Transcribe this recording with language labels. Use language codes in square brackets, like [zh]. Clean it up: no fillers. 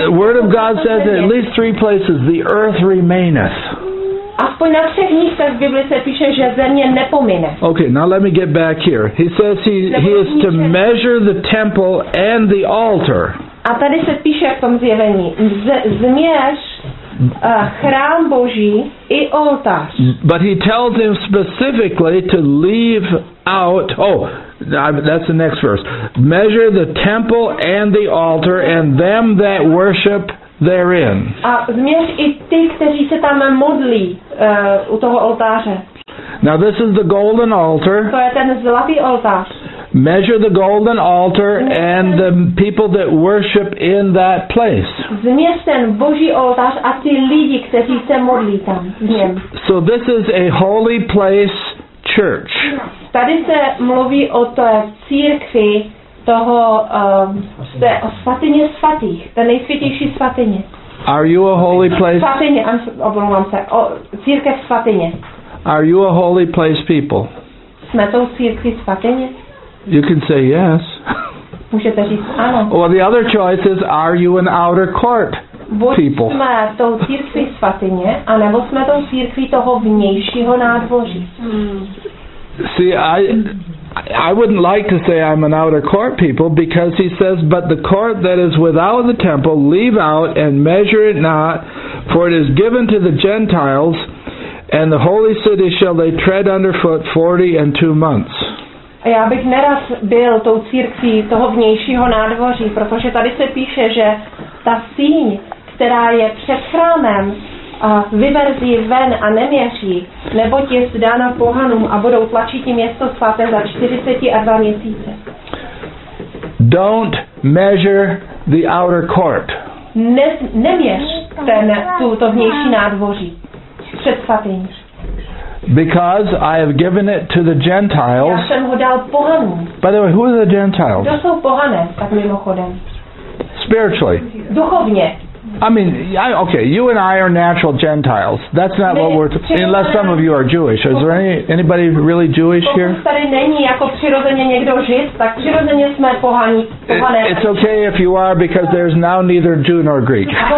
[en] the word of God says at least three places the earth remaineth. [cs] Aspoň na třech místech v Biblii se píše, že země nepomine. [en] Okay, now let me get back here. He says he is to measure the temple and the altar. [cs] A tady se píše v tom Zjevení. Změř chrám Boží i oltář. [en] But he tells him specifically to leave out, that's the next verse. Measure the temple and the altar and them that worship therein. [cs] A změř i ty, kteří se tam modlí u toho oltáře. [en] Now this is the golden altar. [cs] To je ten zlatý oltář. [en] Measure the golden altar and the people that worship in that place. [cs] Změř ten Boží oltář a ty lidi, kteří se modlí tam. [en] So this is a holy place church. [cs] Tady se mluví o té církvi. toho svatyně svatých, ten nejsvětější svatyně. [en] Are you a holy place? [cs] Svatyně, omlouvám se, církev svatyně. [en] Are you a holy place people? [cs] Jsme to církví svatyně? [en] You can say yes. [cs] Můžete říct ano. [en] Or the other choice is, are you an outer court people? [cs] Buď jsme tou církví svatyně, anebo jsme tou církví toho vnějšího nádvoří. [en] See, I wouldn't like to say I'm an outer court people, because he says, but the court that is without the temple, leave out and measure it not, for it is given to the Gentiles, and the holy city shall they tread underfoot 42 months. [cs] A já bych neraz byl tou církví toho vnějšího nádvoří, protože tady se píše, že ta síň, která je před chrámem, vyverzí ven a neměří, neboť je zdána pohanům a budou tlačit město svaté za 42 měsíce. [en] Don't measure the outer court. [cs] Neměř to vnější nádvoří před svatyní. [en] Because I have given it to the Gentiles. [cs] Já jsem ho dal pohanům. [en] By the way, who are the Gentiles? [cs] To jsou pohané, tak mimochodem. [en] Spiritually. [cs] Duchovně. [en] I mean, okay, you and I are natural Gentiles. That's not what we're... Unless some of you are Jewish. Is there anybody really Jewish here? It's okay if you are, because there's now neither Jew nor Greek.